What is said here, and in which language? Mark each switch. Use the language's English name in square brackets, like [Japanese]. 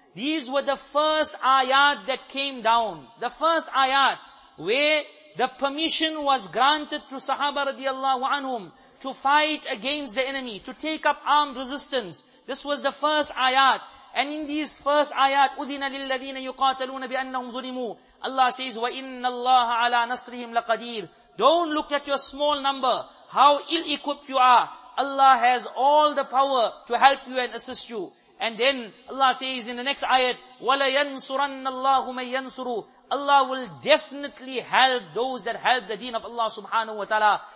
[English] These were the first ayat that came down. The first ayat where the permission was granted to Sahaba radiallahu anhum to fight against the enemy, to take up armed resistance. This was the first ayat. And in these first ayat, [Arabic] أُذِنَ لِلَّذِينَ يُقَاتَلُونَ بِأَنَّهُمْ ظُلِمُوا. [English] Allah says, [Arabic] وَإِنَّ اللَّهَ عَلَى نَصْرِهِمْ لَقَدِيرٌ. [English] Don't look at your small number, how ill-equipped you are. Allah has all the power to help you and assist you. And then Allah says in the next ayat, [Arabic] وَلَيَنْصُرَنَّ اللَّهُ مَنْ يَنْصُرُ. [English] Allah will definitely help those that help the deen of Allah subhanahu wa ta'ala.